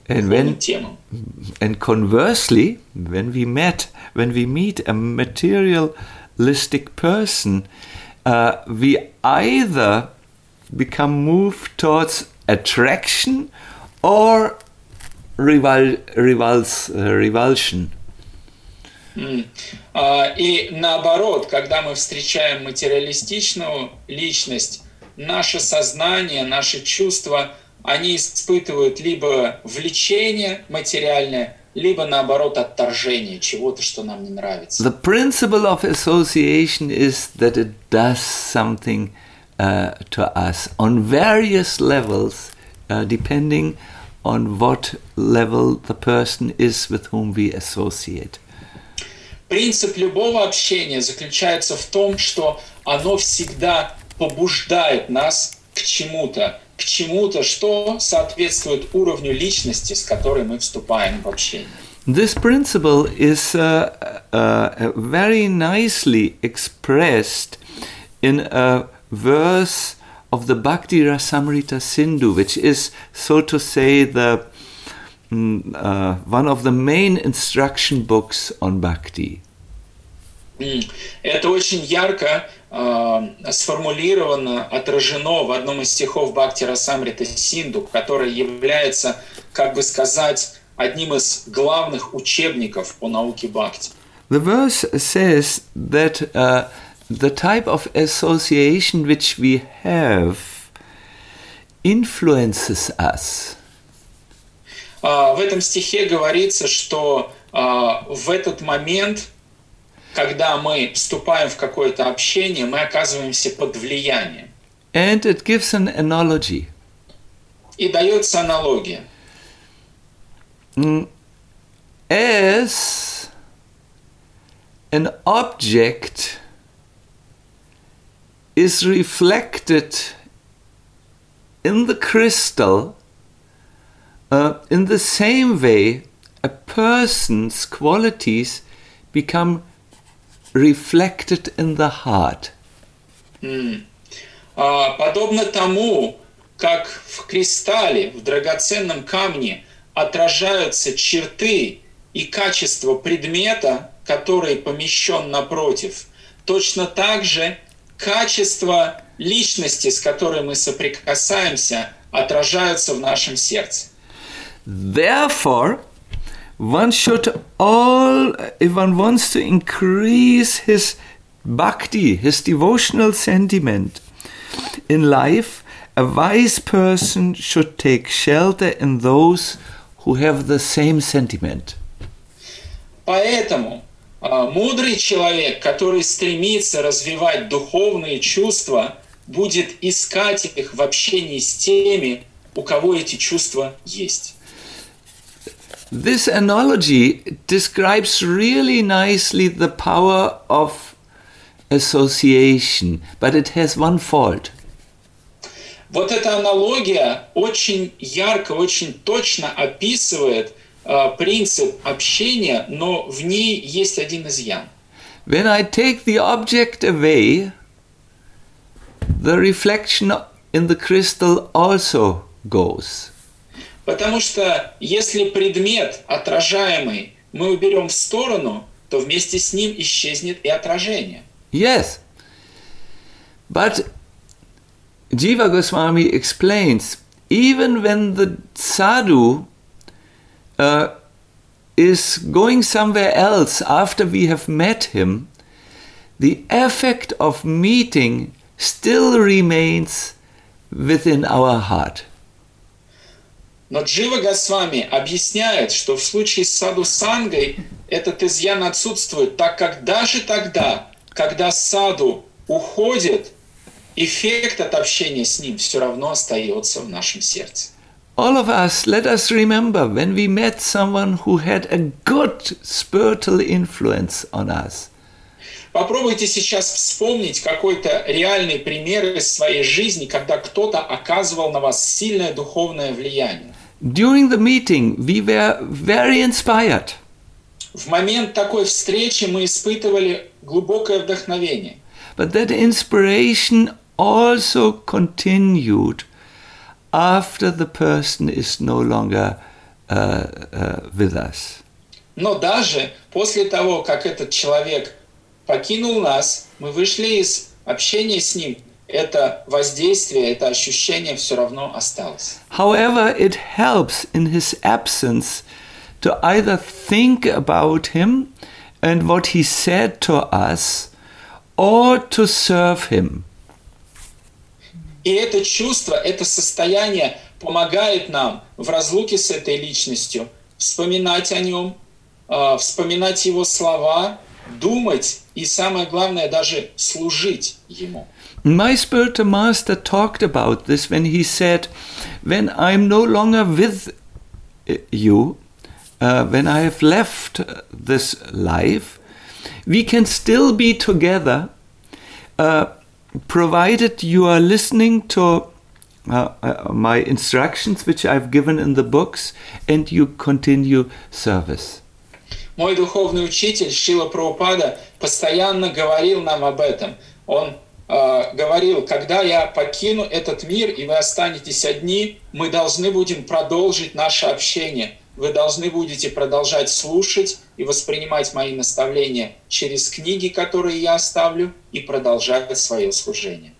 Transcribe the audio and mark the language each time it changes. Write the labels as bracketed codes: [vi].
[en] and [ru] к духовным темам. [en] And conversely, when we meet a materialistic person, we either become moved towards attraction or revulsion. [ru] И наоборот, когда мы встречаем материалистичную личность, наше сознание, наши чувства, они испытывают либо влечение материальное, либо наоборот отторжение чего-то, что нам не нравится. [en] The principle of association is that it does something to us on various levels, depending on what level the person is with whom we associate. [ru] Принцип любого общения заключается в том, что оно всегда побуждает нас к чему-то, что соответствует уровню личности, с которой мы вступаем в общение. [en] This principle is very nicely expressed in a verse of the Bhakti Rasamrita Sindhu, which is, so to say, the one of the main instruction books on bhakti. [ru] Это очень ярко сформулировано, отражено в одном из стихов Бхакти Расамриты Синду, который является, как бы сказать, одним из главных учебников по науке бхакти. [en] The verse says that the type of association which we have influences us. [ru] В этом стихе говорится, что в этот момент, когда мы вступаем в какое-то общение, мы оказываемся под влиянием. [en] And it gives an analogy. [ru] И дается аналогия. [en] As an object is reflected in the crystal, in the same way, a person's qualities become reflected in the heart. [ru] Подобно тому, как в кристалле, в драгоценном камне, отражаются черты и качества предмета, который помещен напротив, точно так же качества личности, с которой мы соприкасаемся, отражаются в нашем сердце. [en] Therefore, one should all, if one wants to increase his bhakti, his devotional sentiment in life, a wise person should take shelter in those who have the same sentiment. [ru] Поэтому мудрый человек, который стремится развивать духовные чувства, будет искать их в общении с теми, у кого эти чувства есть. [en] This analogy describes really nicely the power of association, but it has one fault. [ru] Вот эта аналогия очень ярко, очень точно описывает принцип общения, но в ней есть один изъян. [en] When I take the object away, the reflection in the crystal also goes. [ru] Потому что если предмет отражаемый мы уберем в сторону, то вместе с ним исчезнет и отражение. [en] Yes, but Jiva Goswami explains, even when the sadhu is going somewhere else after we have met him, the effect of meeting still remains within our heart. [ru] Но Джива Госвами объясняет, что в случае с саду сангой этот изъян отсутствует, так как даже тогда, когда саду уходит, эффект от общения с ним все равно остается в нашем сердце. [en] All of us, let us remember, when we met someone who had a good spiritual influence on us. [ru] Попробуйте сейчас вспомнить какой-то реальный пример из своей жизни, когда кто-то оказывал на вас сильное духовное влияние. [en] During the meeting, we were very inspired. [ru] В момент такой встречи мы испытывали глубокое вдохновение. [en] But that inspiration also continued after the person is no longer with us. [ru] Но даже после того, как этот человек покинул нас, мы вышли из общения с ним. Это воздействие, это ощущение все равно осталось. [en] However, it helps in his absence to either think about him and what he said to us, or to serve him. [ru] И это чувство, это состояние помогает нам в разлуке с этой личностью вспоминать о нем, вспоминать его слова, думать и, самое главное, даже служить ему. [en] My spiritual master talked about this when he said, when I'm no longer with you, when I have left this life, we can still be together, provided you are listening to my instructions, which I've given in the books, and you continue service. [ru] Мой духовный учитель Шрила Прабхупада постоянно говорил нам об этом. Он говорил, когда я покину этот мир, и вы останетесь одни, мы должны будем продолжить наше общение. Вы должны будете продолжать слушать и воспринимать мои наставления через книги, которые я оставлю, и продолжать свое служение.